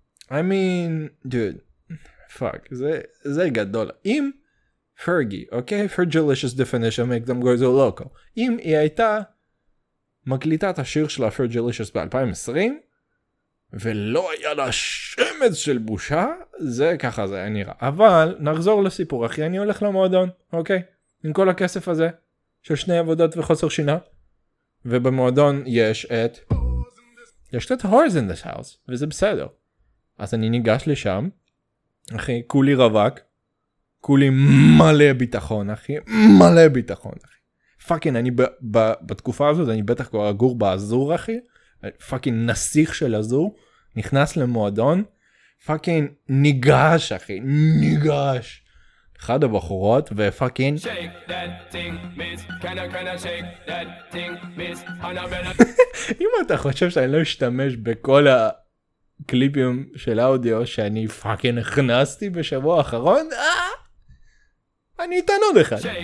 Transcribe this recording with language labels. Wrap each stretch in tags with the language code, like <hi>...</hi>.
<en>I mean, dude, fuck,</en> <he>זה גדול. אם פרגי, אוקיי?</he> <en>Fergalicious Definition make them go so loco.</en> <he>אם היא הייתה מקליטה את השיר שלה Fergalicious ב-2020, ולא היה לה שמץ של בושה, זה ככה זה היה נראה. אבל נחזור לסיפור, אחי, אני הולך למועדון, אוקיי? עם כל הכסף הזה, של שני עבודות וחוסר שינה, ובמועדון יש את... יש את</he> <en>Horse in this house,</en> <he>וזה בסדר. אז אני ניגש לשם, אחי, כולי רווק, כולי מלא ביטחון, אחי, מלא ביטחון, אחי. פאקינג, אני בתקופה הזאת, אני בטח כבר אגור באזור, אחי, פאקינג נסיך של אזור, נכנס למועדון, פאקינג ניגש, אחי, ניגש. אחד הבחורות, ופאקינג...</he> <en>Shake that thing, miss, can I shake that thing, miss, on a better...</en> <he>אם אתה חושב שאני לא אשתמש בכל ה... קליפים של האודיו שאני פאקינג הכנסתי בשבוע האחרון, אני אתן עוד אחד.</he>